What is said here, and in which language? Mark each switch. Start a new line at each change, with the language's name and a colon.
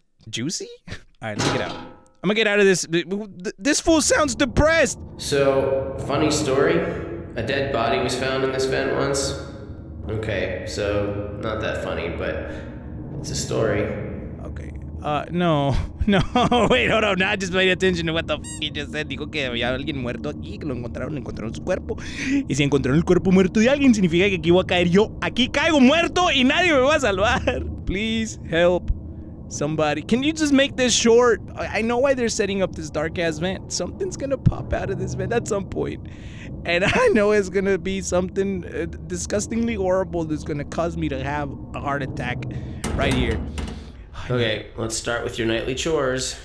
English: Juicy? Alright, let's get out. I'm gonna get out of this. This fool sounds depressed! So, funny story. A dead body was found in this vent once. Okay, so, not that funny, but it's a story. Okay, no. No, wait, hold on, not just paying attention to what the f*** he just said.
Spanish: Dijo que había alguien muerto aquí, que lo encontraron, encontraron su cuerpo. Y si encontraron el cuerpo muerto de alguien, significa que aquí voy a caer yo. Aquí caigo muerto y nadie me va a salvar.
English: Please, help. Somebody, can you just make this short? I know why they're setting up this dark-ass vent. Something's gonna pop out of this vent at some point. And I know it's gonna be something disgustingly horrible that's gonna cause me to have a heart attack right here. Okay, let's start with your nightly chores.